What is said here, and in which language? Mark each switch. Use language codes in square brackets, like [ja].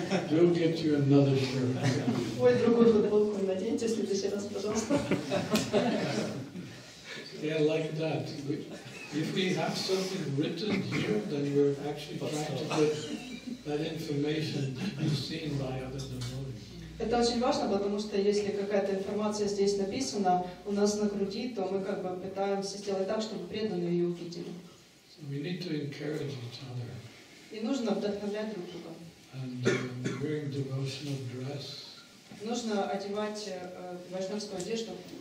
[en] We'll get you another shirt. [ru] Ой, другую футболку наденьте, следующий раз, пожалуйста. [en] Yeah, like that. If we have something written here, then we're actually trying to put that information you've seen by others in the morning. [ru] Это очень важно, потому что если какая-то информация здесь написана у нас на груди, то мы как бы пытаемся сделать так, чтобы преданные ее увидели. [en] So we need to encourage each other. [ru] И нужно вдохновлять друг друга. [en] And wearing devotional dress. [ru] Нужно одевать вайшнавскую одежду.